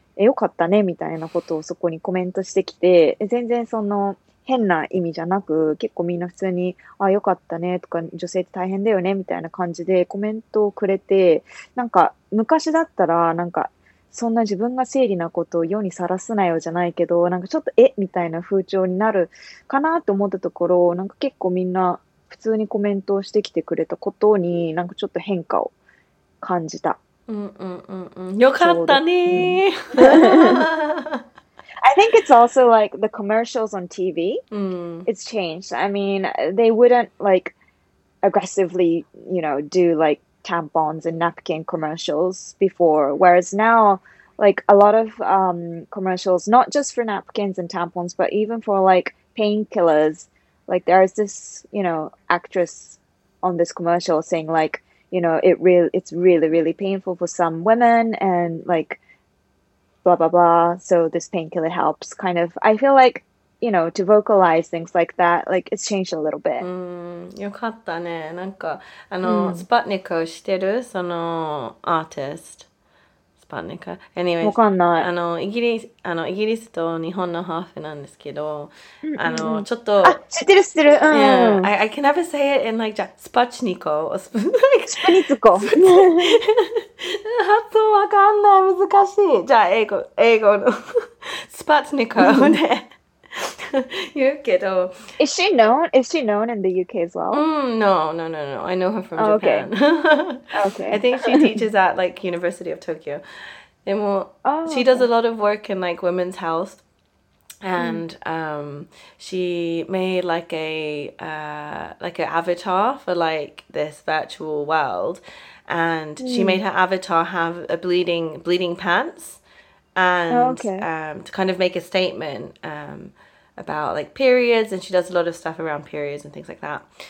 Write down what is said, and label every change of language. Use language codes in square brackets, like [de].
[ja] よかったねみたいなことをそこにコメントしてきて、全然その変な意味じゃなく、結構みんな普通に、あ、よかったねとか、女性って大変だよねみたいな感じでコメントをくれて、なんか昔だったら、なんかそんな自分が生理なことを世にさらすなよじゃないけど、なんかちょっとみたいな風潮になるかなと思ったところを、なんか結構みんな普通にコメントをしてきてくれたことに、なんかちょっと変化を感じた。うんうんうんうん、よかったね [en] I think it's also like the commercials on TV, it's changed. I mean, they wouldn't like aggressively, you know, do like tampons and napkin commercials before. Whereas now, like a lot of commercials, not just for napkins and tampons, but even for like painkillers, like there's this, you know, actress on this commercial saying like, you know, it's really, really painful for some women and like,blah, blah, blah, so this painkiller helps, kind of. I feel like, you know, to vocalize things like that, like, it's changed a little bit. [ja] よかったね。なんか、あの、スパットニックをしてる、その、アーティスト。スパットニック。 [en] Anyways, [ja] わかんない。あの、イギリスと日本のハーフなんですけど、あの、ちょっと、あ、知ってる、知ってる。うん。 [en] Yeah, I can never say it in, like, スパチニコ。スパニ [ja] ツコ。スパニツコ。発音わかんない、難しい。じゃあ、英語のスパツニコをね、言うけど。 [en] Is she known? Is she known in the UK as well? No, no, no, no. I know her from Japan. Okay. I think she teaches at, like, University of Tokyo. [ja] でも、 [en] she does a lot of work in, like, women's health. And she made like an avatar for like this virtual world, and she made her avatar have a bleeding pants, and to kind of make a statement about like periods, and she does a lot of stuff around periods and things like that.